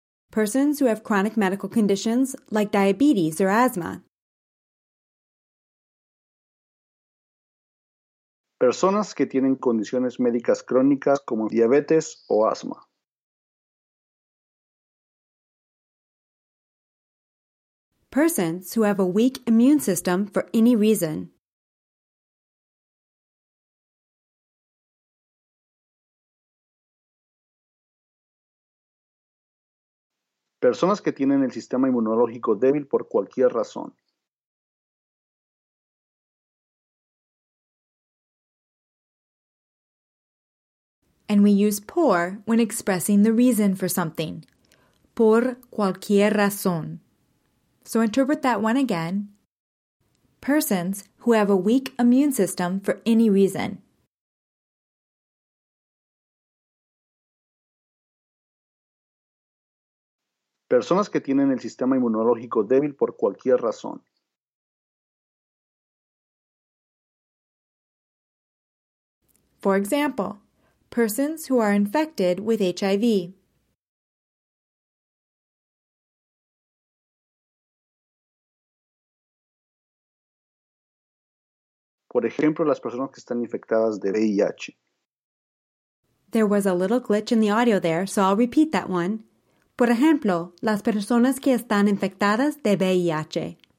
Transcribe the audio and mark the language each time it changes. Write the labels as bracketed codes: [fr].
[en] Persons who have chronic medical conditions like diabetes or asthma. [es] Personas que tienen condiciones médicas crónicas como diabetes o asma. [en] Persons who have a weak immune system for any reason. [es] Personas que tienen el sistema inmunológico débil por cualquier razón. [en] And we use por when expressing the reason for something. [es] Por cualquier razón. [en] So interpret that one again. Persons who have a weak immune system for any reason. [es] Personas que tienen el sistema inmunológico débil por cualquier razón. [en] For example, persons who are infected with HIV. [es] Por ejemplo, las personas que están infectadas de VIH. [en] There was a little glitch in the audio there, so I'll repeat that one. [es] Por ejemplo, las personas que están infectadas de VIH.